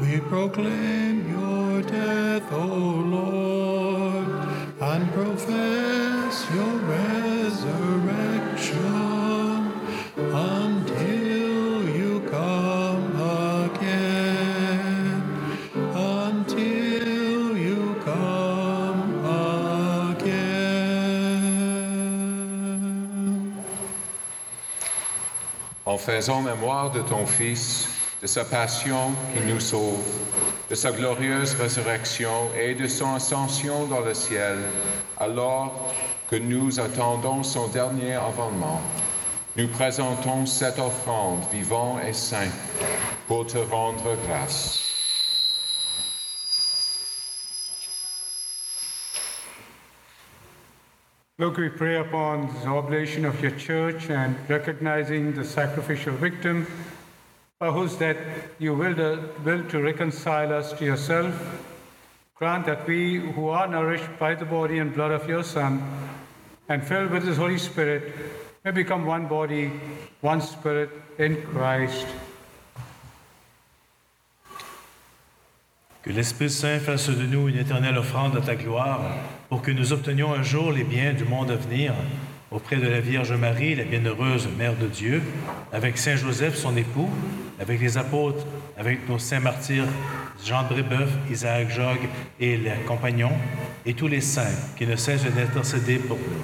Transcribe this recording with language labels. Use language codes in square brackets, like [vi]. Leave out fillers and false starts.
[en] Proclaim your death, O Lord, and profess your resurrection until you come again, until you come again. [fr] En faisant mémoire de ton Fils, de sa passion qui nous sauve, de sa glorieuse résurrection et de son ascension dans le ciel, alors que nous attendons son dernier avènement, Nous présentons cette offrande vivant et saint pour te rendre grâce. [en] Look, we pray upon the oblation of your church and recognizing the sacrificial victim, by whose death you will to reconcile us to yourself. Grant that we who are nourished by the body and blood of your Son and filled with his Holy Spirit may become one body, one spirit in Christ. [fr] Que l'Esprit Saint fasse de nous une éternelle offrande à ta gloire, pour que nous obtenions un jour les biens du monde à venir, auprès de la Vierge Marie, la bienheureuse Mère de Dieu, avec Saint Joseph, son époux, avec les apôtres, avec nos saints martyrs, Jean de Brébeuf, Isaac Jog et les compagnons, et tous les saints qui ne cessent d'intercéder pour nous.